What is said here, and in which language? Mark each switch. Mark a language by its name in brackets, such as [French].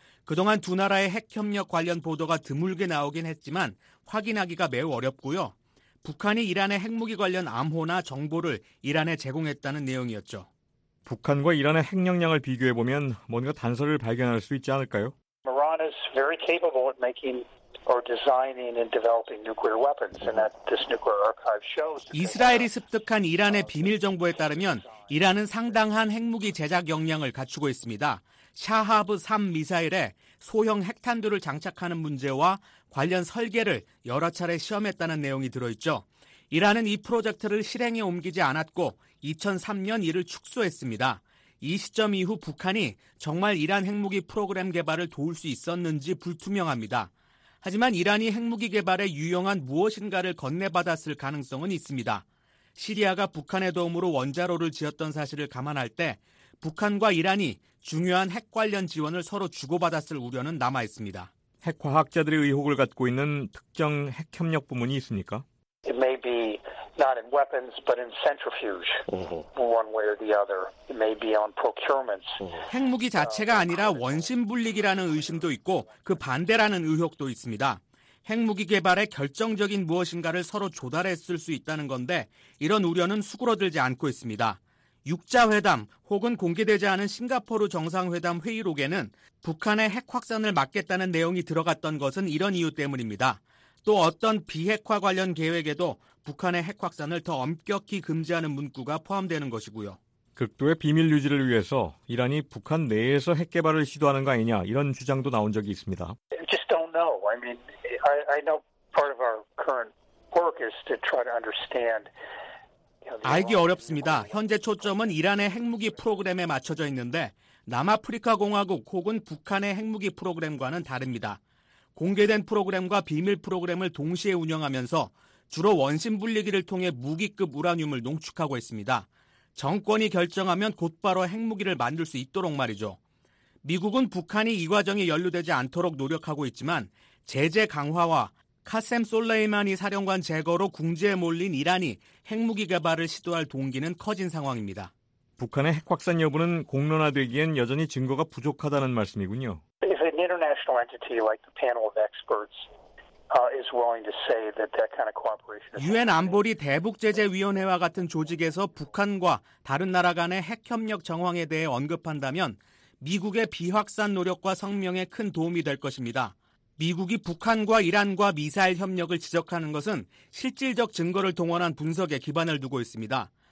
[Korean] 그동안 두 나라의 핵 협력 관련 보도가 드물게 나오긴 했지만 확인하기가 매우 어렵고요. 북한이 이란의 핵무기 관련 암호나 정보를 이란에 제공했다는 내용이었죠. 북한과 이란의 핵 역량을 비교해 보면 뭔가 단서를 발견할 수 있지 않을까요? [English] Iran is very capable of making or designing and developing nuclear weapons, and that this nuclear archive shows. [Korean] 이스라엘이 습득한 이란의 비밀 정보에 따르면 이란은 상당한 핵무기 제작 역량을 갖추고 있습니다. 샤하브 3 미사일에 소형 핵탄두를 장착하는 문제와 관련 설계를 여러 차례 시험했다는 내용이 들어있죠. 이란은 이 프로젝트를 실행에 옮기지 않았고 2003년 이를 축소했습니다. 이 시점 이후 북한이 정말 이란 핵무기 프로그램 개발을 도울 수 있었는지 불투명합니다. 하지만 이란이 핵무기 개발에 유용한 무엇인가를 건네받았을 가능성은 있습니다. 시리아가 북한의 도움으로 원자로를 지었던 사실을 감안할 때 북한과 이란이 중요한 핵 관련 지원을 서로 주고받았을 우려는 남아있습니다. 핵과학자들의 의혹을 갖고 있는 특정 핵협력 부문이 있습니까? [English] It may be not in weapons, but in centrifuge, one way or the other. It may be on procurements. [Korean] 핵무기 자체가 아니라 원심불리기라는 의심도 있고 그 반대라는 의혹도 있습니다. 핵무기 개발에 결정적인 무엇인가를 서로 조달했을 수 있다는 건데 이런 우려는 수그러들지 않고 있습니다. 6자회담 혹은 공개되지 않은 싱가포르 정상회담 회의록에는 북한의 핵 확산을 막겠다는 내용이 들어갔던 것은 이런 이유 때문입니다. 또 어떤 비핵화 관련 계획에도 북한의 핵 확산을 더 엄격히 금지하는 문구가 포함되는 것이고요. 극도의 비밀 유지를 위해서 이란이 북한 내에서 핵 개발을 시도하는 거 아니냐 이런 주장도 나온 적이 있습니다. [English] Just don't know. I mean, I know part of our current work is to try to understand. [Korean] 알기 어렵습니다. 현재 초점은 이란의 핵무기 프로그램에 맞춰져 있는데 남아프리카공화국 혹은 북한의 핵무기 프로그램과는 다릅니다. 공개된 프로그램과 비밀 프로그램을 동시에 운영하면서 주로 원심불리기를 통해 무기급 우라늄을 농축하고 있습니다. 정권이 결정하면 곧바로 핵무기를 만들 수 있도록 말이죠. 미국은 북한이 이 과정에 연루되지 않도록 노력하고 있지만 제재 강화와 카셈 솔레이마니 사령관 제거로 궁지에 몰린 이란이 핵무기 개발을 시도할 동기는 커진 상황입니다. 북한의 핵 확산 여부는 공론화되기엔 여전히 증거가 부족하다는 말씀이군요. [English] If an international entity like the panel of experts is willing to say that that kind of cooperation, [Korean] UN 안보리 대북 제재 위원회와 같은 조직에서 북한과 다른 나라 간의 핵 협력 정황에 대해 언급한다면 미국의 비확산 노력과 성명에 큰 도움이 될 것입니다. 미국이 북한과 이란과 미사일 협력을 지적하는 것은 실질적 증거를 동원한 분석에 기반을 두고 있습니다.